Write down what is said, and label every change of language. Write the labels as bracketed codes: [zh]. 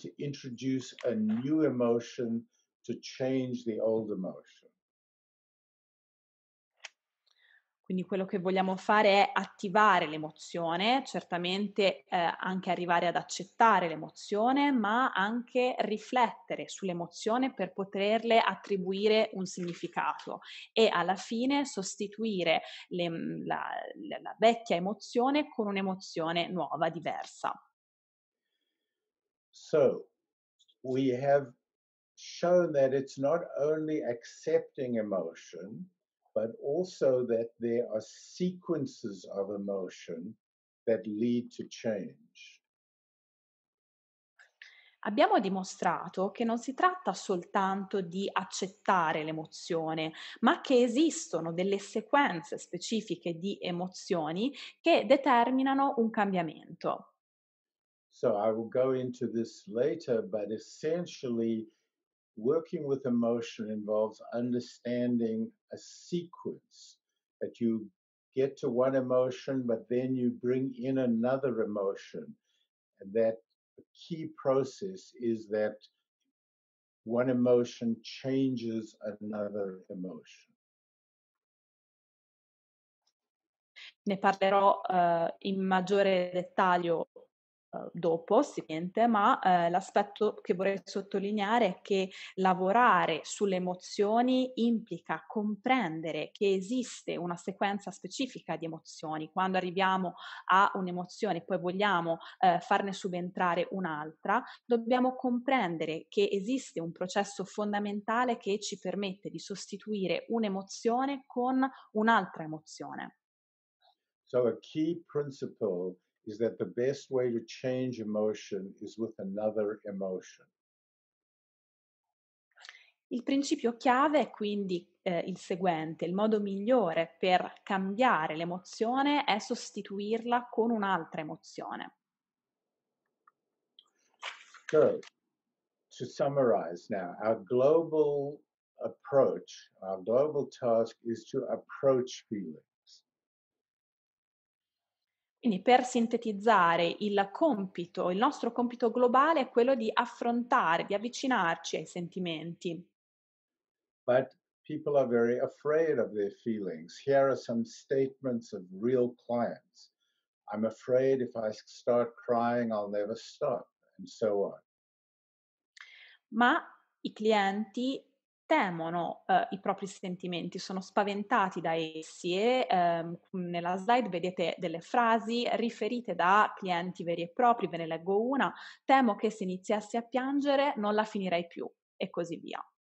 [en] to introduce a new emotion to change the old emotion. [it] Quindi quello che vogliamo fare è attivare l'emozione, certamente anche arrivare ad accettare l'emozione, ma anche riflettere sull'emozione per poterle attribuire un significato e alla fine sostituire la vecchia emozione con un'emozione nuova, diversa. [en] So, we have shown that it's not only accepting emotion, but also that there are sequences of emotion that lead to change. [it] Abbiamo dimostrato che non si tratta soltanto di accettare l'emozione, ma che esistono delle sequenze specifiche di emozioni che determinano un cambiamento. [en] So I will go into this later, but essentially working with emotion involves understanding a sequence that you get to one emotion, but then you bring in another emotion. And that key process is that one emotion changes another emotion. [it] Ne parlerò in maggiore dettaglio dopo, ovviamente, ma l'aspetto che vorrei sottolineare è che lavorare sulle emozioni implica comprendere che esiste una sequenza specifica di emozioni. Quando arriviamo a un'emozione e poi vogliamo farne subentrare un'altra, dobbiamo comprendere che esiste un processo fondamentale che ci permette di sostituire un'emozione con un'altra emozione. [en] So a key principle is that the best way to change emotion is with another emotion. [it] Il principio chiave è quindi il seguente: il modo migliore per cambiare l'emozione è sostituirla con un'altra emozione. [en] So, to summarize now, our global approach, our global task is to approach feeling. [it] Quindi per sintetizzare, il nostro compito globale è quello di affrontare, di avvicinarci ai sentimenti. [en] But people are very afraid of their feelings. Here are some statements of real clients. I'm afraid if I start crying I'll never stop, and so on. [it] Ma i clienti temono i propri sentimenti, sono spaventati da essi e nella slide vedete delle frasi riferite da clienti veri e propri, ve ne leggo una: temo che se iniziassi a piangere non la finirei più, e così via.